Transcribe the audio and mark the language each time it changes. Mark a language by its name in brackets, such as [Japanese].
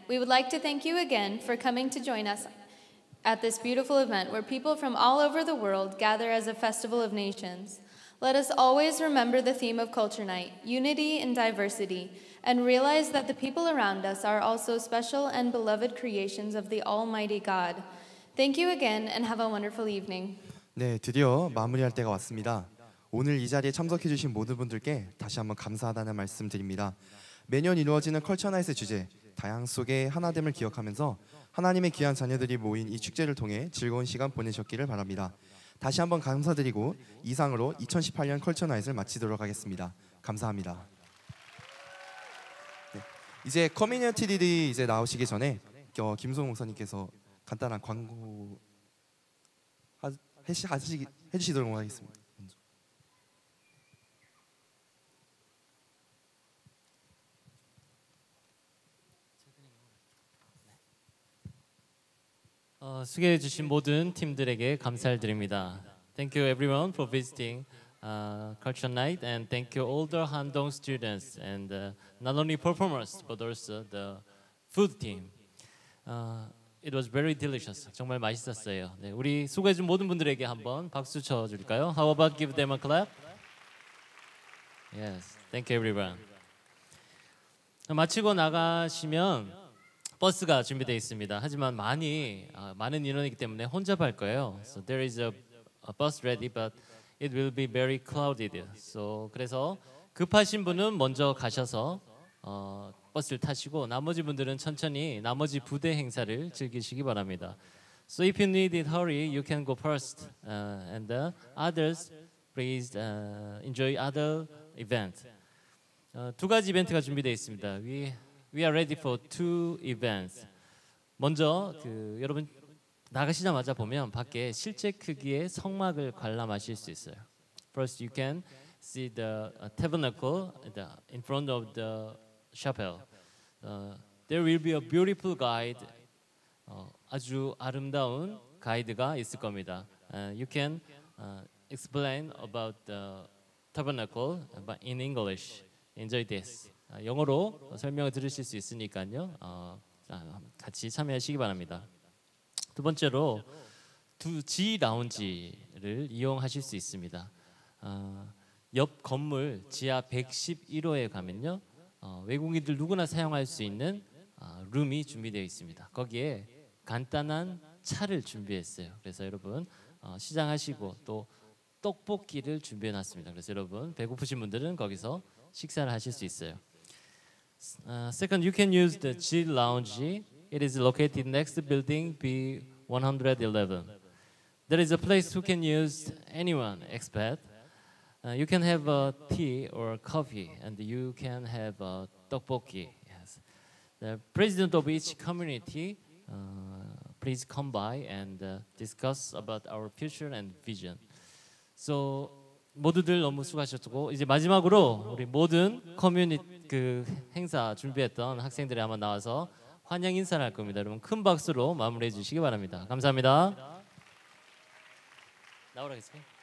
[English] We would like to thank you again for coming to join us at this beautiful event where people from all over the world gather as a festival of nations. Let us always remember the theme of Culture Night, unity and diversity, and realize that the people around us are also special and beloved creations of the Almighty God. Thank you again and have a wonderful evening. [Korean] 네, 드디어 마무리할 때가 왔습니다. 오늘 이 자리에 참석해주신 모든 분들께 다시 한번 감사하다는 말씀드립니다. 매년 이루어지는 컬처나잇의 주제, 다양 속의 하나됨을 기억하면서 하나님의 귀한 자녀들이 모인 이 축제를 통해 즐거운 시간 보내셨기를 바랍니다. 다시 한번 감사드리고 이상으로 2018년 컬처 나잇을 마치도록 하겠습니다. 감사합니다. 네, 이제 커뮤니티들이 이제 나오시기 전에 김성 목사님께서 간단한 광고 해주시도록 하겠습니다. 수고해 주신 모든 팀들에게 감사를 드립니다. [English] Thank you everyone for visiting Culture Night and thank you all the Handong students and not only performers but also the food team. It was very delicious. [Korean] 정말 맛있었어요. 네, 우리 수고해 준 모든 분들에게 한번 박수 쳐 줄까요? [English] How about give them a clap? Yes. Thank you everyone. [Korean] 마치고 나가시면 버스가 준비되어 있습니다. 하지만 많은 인원이기 때문에 혼자 갈 거예요. [English] So there is a bus ready, but it will be very crowded. [Korean] So 그래서 급하신 분은 먼저 가셔서 버스를 타시고 나머지 분들은 천천히 나머지 부대 행사를 즐기시기 바랍니다. [English] So if you need it, hurry, you can go first. And the others, please enjoy other event. [Korean] 두 가지 이벤트가 준비되어 있습니다. [English] We are ready for two events. [Korean] 먼저 여러분 나가시자마자 보면 밖에 실제 크기의 성막을 관람하실 수 있어요. [English] First, you can see the tabernacle in front of the chapel. There will be a beautiful guide. [Korean] 아주 아름다운 가이드가 있을 겁니다. [English] You can explain about the tabernacle in English. Enjoy this. [Korean] 영어로 설명을 들으실 수 있으니까요. 같이 참여하시기 바랍니다. 두 번째로 G 라운지를 이용하실 수 있습니다. 옆 건물 지하 111호에 가면요. 외국인들 누구나 사용할 수 있는 룸이 준비되어 있습니다. 거기에 간단한 차를 준비했어요. 그래서 여러분 시장하시고 또 떡볶이를 준비해놨습니다. 그래서 여러분 배고프신 분들은 거기서 식사를 하실 수 있어요. [English] Second, you can use the G Lounge. It is located next to building B111. There is a place who can use anyone, expat. You can have a tea or a coffee, and you can have a tteokbokki. Yes. The president of each community, please come by and discuss about our future and vision. [Korean] So, 모두들 너무 수고하셨고 이제 마지막으로 우리 모든 커뮤니티 행사 준비했던 학생들이 한번 나와서 환영 인사를 할 겁니다. 여러분 큰 박수로 마무리해 주시기 바랍니다. 감사합니다. 나오라 했어요.